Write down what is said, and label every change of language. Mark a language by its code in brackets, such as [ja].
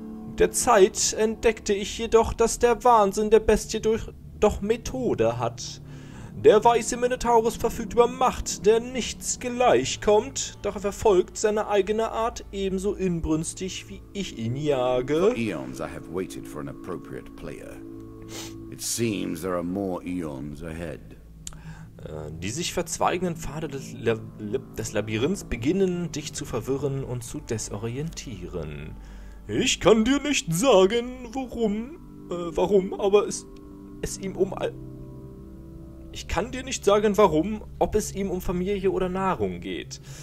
[de] Mit der Zeit entdeckte ich jedoch, dass der Wahnsinn der Bestie doch Methode hat. Der weiße Minotaurus verfügt über Macht, der nichts gleichkommt, doch er verfolgt seine eigene Art ebenso inbrünstig, wie ich ihn jage. [en] For eons I have waited for an appropriate player. It seems there are more eons ahead. [de] Die sich verzweigenden Pfade des Labyrinths beginnen, dich zu verwirren und zu desorientieren. Ich kann dir nicht sagen, aber es ihm um... Ich kann dir nicht sagen, warum, ob es ihm um Familie oder Nahrung geht.